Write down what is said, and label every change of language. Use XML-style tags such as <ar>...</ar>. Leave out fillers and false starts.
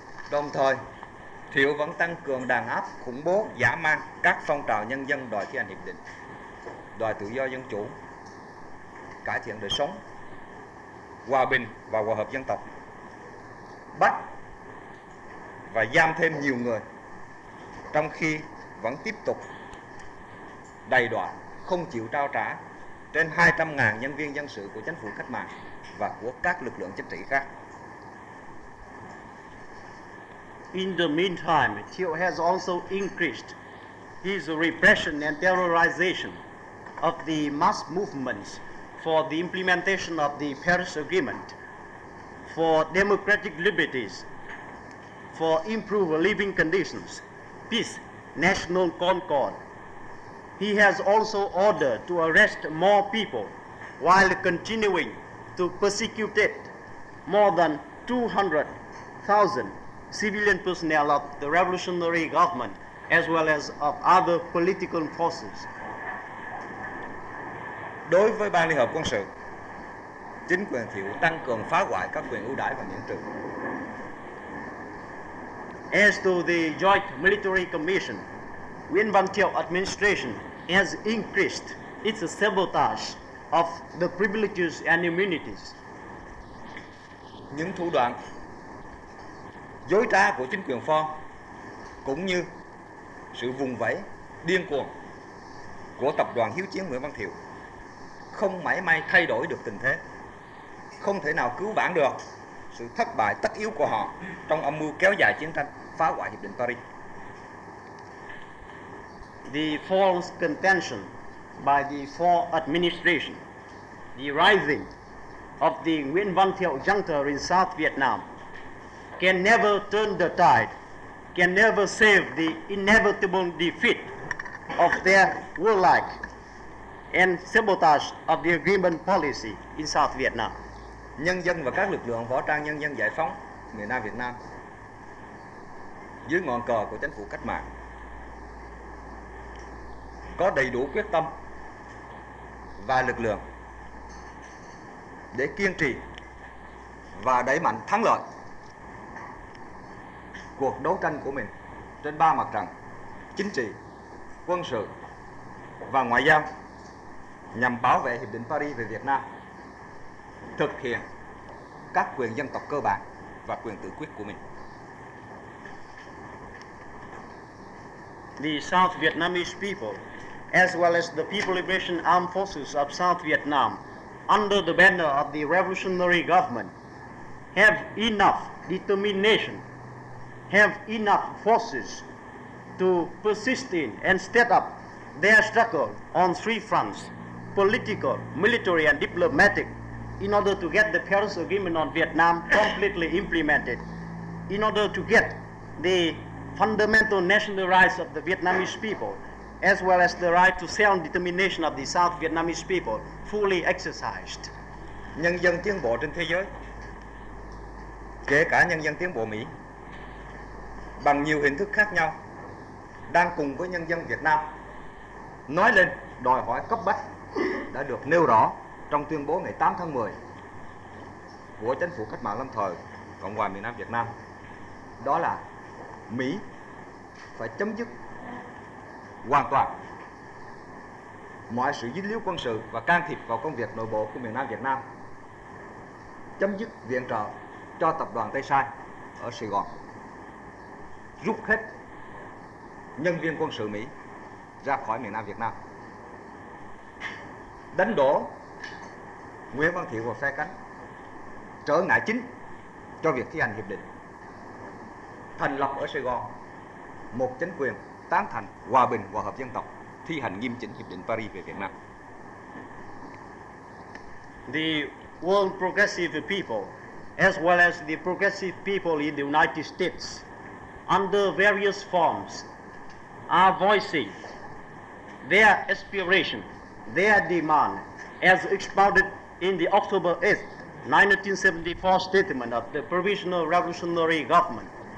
<vi>Đồng thời, Thiệu vẫn tăng cường đàn áp khủng bố, dã man các phong trào nhân dân đòi thi hành hiệp định, đòi tự do dân chủ, cải thiện đời sống, hòa bình và hòa hợp dân tộc, bắt và giam thêm nhiều người, trong khi vẫn tiếp tục đày đọa không chịu trao trả trên 200.000 nhân viên dân sự của chính phủ cách mạng và của các lực lượng chính trị khác.</vi> <en>In the meantime, Thiệu has also increased his repression and terrorization of the mass movements for the implementation of the Paris Agreement, for democratic liberties, for improved living conditions, peace, national concord. He has also ordered to arrest more people while continuing to persecute more than 200,000 civilian personnel of the revolutionary government as well as of other political forces.</en> <vi>Đối với Ban Liên Hợp Quân Sự, chính quyền Thiệu tăng cường phá hoại các quyền ưu đãi và miễn trừ.</vi> <en>As to the Joint Military Commission, Nguyễn Văn Thiệu administration has increased its sabotage of the privileges and immunities.</en> <vi>Những thủ đoạn dối trá của chính quyền Phong cũng như sự vùng vẫy điên cuồng của tập đoàn Hiếu Chiến Nguyễn Văn Thiệu không mảy may thay đổi được tình thế, không thể nào cứu vãn được sự thất bại tất yếu của họ trong âm mưu kéo dài chiến tranh, phá hoại Hiệp định Paris.</vi> <en>The false contention by the Phong administration, the rising of the Nguyễn Văn Thiệu junta in South Vietnam can never turn the tide, can never save the inevitable defeat of their warlike and sabotage of the agreement policy in South Vietnam.</en> <vi>Nhân dân và các lực lượng võ trang nhân dân giải phóng miền Nam Việt Nam dưới ngọn cờ của chính phủ cách mạng, có đầy đủ quyết tâm và lực lượng để kiên trì và đẩy mạnh thắng lợi cuộc đấu tranh của mình trên ba mặt trận chính trị, quân sự và ngoại giao, nhằm bảo vệ Hiệp định Paris về Việt Nam, thực hiện các quyền dân tộc cơ bản và quyền tự quyết của mình.</vi> <en>The South Vietnamese people, as well as the People Liberation Armed Forces of South Vietnam, under the banner of the Revolutionary Government, have enough determination, have enough forces to persist in and step up their struggle on three fronts: political, military, and diplomatic, in order to get the Paris Agreement on Vietnam completely implemented, in order to get the fundamental national rights of the Vietnamese people, as well as the right to self-determination of the South Vietnamese people, fully exercised.</en> <vi>Nhân dân tiến bộ trên thế giới, kể cả nhân dân tiến bộ Mỹ, bằng nhiều hình thức khác nhau, đang cùng với nhân dân Việt Nam nói lên đòi hỏi cấp bách đã được nêu rõ trong tuyên bố ngày 8 tháng 10 của chính phủ cách mạng lâm thời Cộng hòa miền Nam Việt Nam. Đó là Mỹ phải chấm dứt hoàn toàn mọi sự dính líu quân sự và can thiệp vào công việc nội bộ của miền Nam Việt Nam, chấm dứt viện trợ cho tập đoàn Tây Sai ở Sài Gòn, rút hết nhân viên quân sự Mỹ ra khỏi miền Nam Việt Nam, đánh đổ Nguyễn Văn Thiệu và phe cánh, trở ngại chính cho việc thi hành hiệp định, thành lập ở Sài Gòn một chính quyền tán thành hòa bình và hợp dân tộc, thi hành nghiêm chỉnh hiệp định Paris về Việt Nam.</vi> <en>The world progressive people, as well as the progressive people in the United States, under various forms, are voicing their aspiration, their demand, as expounded in the October 8, 1974 statement of the Provisional Revolutionary Government.</en>